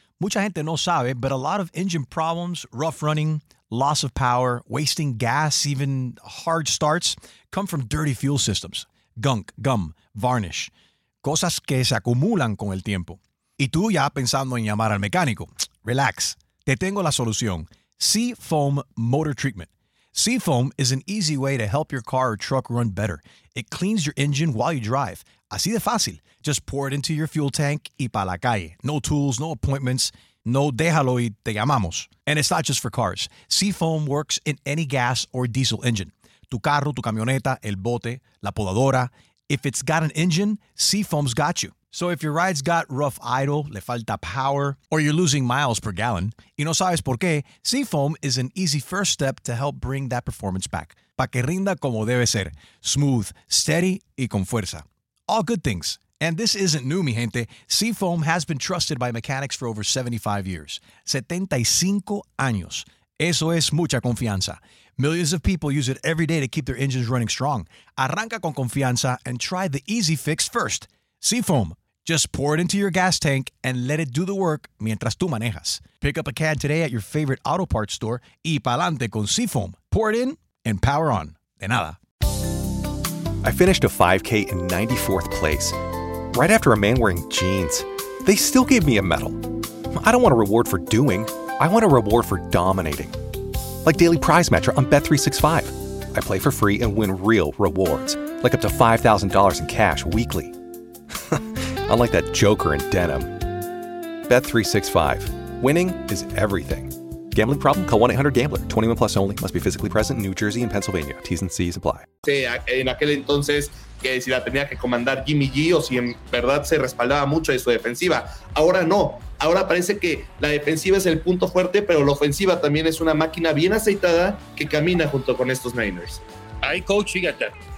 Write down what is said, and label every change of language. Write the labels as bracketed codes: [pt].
[es] Mucha gente no sabe, [en] but a lot of engine problems, rough running, loss of power, wasting gas, even hard starts, come from dirty fuel systems. Gunk, gum, varnish. [es] Cosas que se acumulan con el tiempo. Y tú ya pensando en llamar al mecánico. [en] Relax. [es] Te tengo la solución. Seafoam Motor Treatment. [en] Seafoam is an easy way to help your car or truck run better. It cleans your engine while you drive. [es] Así de fácil. [en] Just pour it into your fuel tank [es] y pa' la calle. [en] No tools, no appointments. [es] No déjalo y te llamamos. [en] And it's not just for cars. Seafoam works in any gas or diesel engine. [es] Tu carro, tu camioneta, el bote, la podadora. [en] If it's got an engine, Seafoam's got you. So if your ride's got rough idle, [es] le falta [en] power, or you're losing miles per gallon, [es] y no sabes por qué, [en] Seafoam is an easy first step to help bring that performance back. [es] Pa' que rinda como debe ser. [en] Smooth, steady, [es] y con fuerza. [en] All good things. And this isn't new, [es] mi gente. [en] Seafoam has been trusted by mechanics for over 75 years. [es] 75 años. Eso es mucha confianza. [en] Millions of people use it every day to keep their engines running strong. [es] Arranca con confianza [en] and try the easy fix first. Seafoam. Just pour it into your gas tank and let it do the work [es] mientras tú manejas. [en] Pick up a can today at your favorite auto parts store [es] y pa'lante con Seafoam. [en] Pour it in and power on. [es] De nada. [en] I finished a 5K in 94th place. Right after a man wearing jeans, they still gave me a medal. I don't want a reward for doing, I want a reward for dominating. Like Daily Prize Matcher on Bet365. I play for free and win real rewards, like up to $5,000 in cash weekly. Unlike that joker in denim. Bet365. Winning is everything. Gambling problem? Call 1-800-GAMBLER. 21 plus only. Must be physically present in New Jersey and Pennsylvania. T's and C's apply. [es] Sí, en aquel entonces, que si la tenía que comandar Jimmy G o si en verdad se respaldaba mucho de su defensiva. Ahora no. Ahora parece que la defensiva es el punto fuerte, pero la ofensiva también es una máquina bien aceitada que camina junto con estos Niners. Ay, coach, fíjate.